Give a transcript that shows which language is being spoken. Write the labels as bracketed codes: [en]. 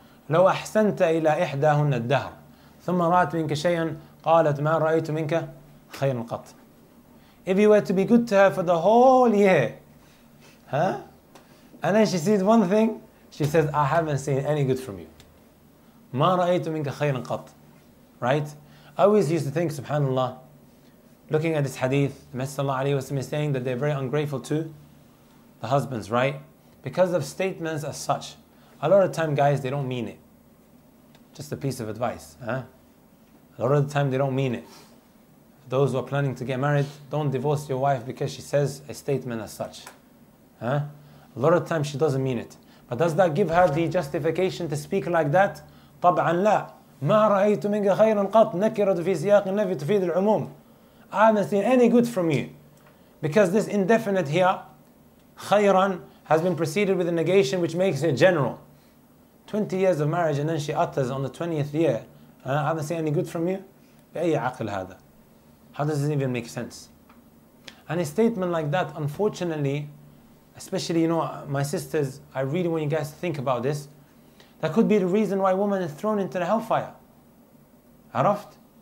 [ar] لو أحسنت إلى إحداهن الدهر ثم رأت منك شيئا قالت ما رأيت منك خير قط. [en] If you were to be good to her for the whole year, huh? And then she sees one thing, she says, I haven't seen any good from you. [ar] ما رأيت منك خير قط. [en] Right? I always used to think, subhanAllah, looking at this hadith, the Messenger sallallahu alayhi wa sallam is saying that they're very ungrateful to the husbands, right? Because of statements as such. A lot of the time, guys, they don't mean it. Just a piece of advice. Huh? A lot of the time, they don't mean it. Those who are planning to get married, don't divorce your wife because she says a statement as such. Huh? A lot of the time, she doesn't mean it. But does that give her the justification to speak like that? [ar] طبعاً لا. ما رأيت منك خيراً قط نكرت في سياق النفي تفيد العموم. [en] I haven't seen any good from you. Because this indefinite here, خيراً, has been preceded with a negation which makes it general. 20 years of marriage and then she utters on the 20th year, I haven't seen any good from you? How does this even make sense? And a statement like that, unfortunately, especially, you know, my sisters, I really want you guys to think about this, that could be the reason why a woman is thrown into the hellfire. Araft?